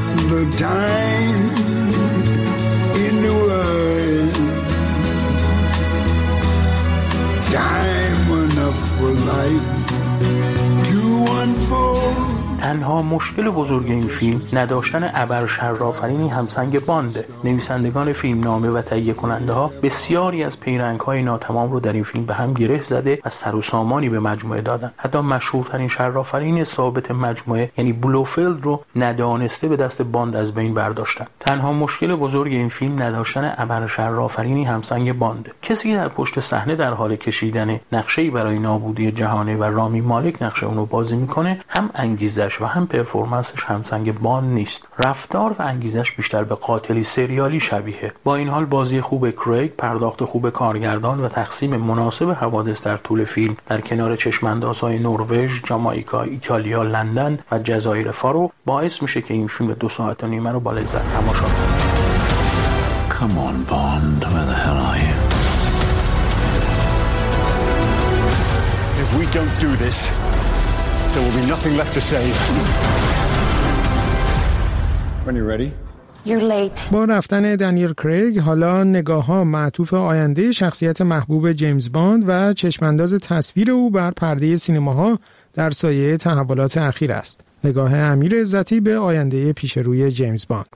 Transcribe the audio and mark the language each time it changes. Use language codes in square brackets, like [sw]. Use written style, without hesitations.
[en] The time in the world, time enough for life to unfold. [fa] تنها مشکل بزرگ این فیلم نداشتن ابر شرافرینی همسنگ بانده. نویسندگان فیلم نامه و تهیه کننده ها بسیاری از پیرنگ های ناتمام رو در این فیلم به هم گره زده و سر و سامانی به مجموعه دادن. حتی مشهورترین شرافرین ثابت مجموعه، یعنی بلوفیلد، رو ندانسته به دست باند از بین برداشتن. تنها مشکل بزرگ این فیلم نداشتن ابر شرافرینی همسنگ بانده. کسی که در پشت صحنه در حال کشیدن نقشه برای نابودی جهانی و رامی مالک نقشه اون رو بازی میکنه، هم انگیزش و هم پرفورمنسش همسنگ بان نیست. رفتار و انگیزش بیشتر به قاتلی سریالی شبیهه. با این حال بازی خوب کریگ، پرداخت خوب کارگردان و تقسیم مناسب حوادث در طول فیلم در کنار چشم‌اندازهای نروژ، جامائیکا، ایتالیا، لندن و جزایر فارو باعث میشه که این فیلم 2 ساعت و نیمه رو با لذت تماشا کنید. [en] Come on, Bond. Where the hell are you? If we don't do this, there will be nothing left to say. When you're ready. [fa] با رفتن دنیل کریگ حالا نگاه ها معطوف آینده شخصیت محبوب جیمز باند و چشمانداز تصویر او بر پرده سینماها در سایه تحولات اخیر است. نگاه امیر عزتی به آینده پیش روی جیمز باند.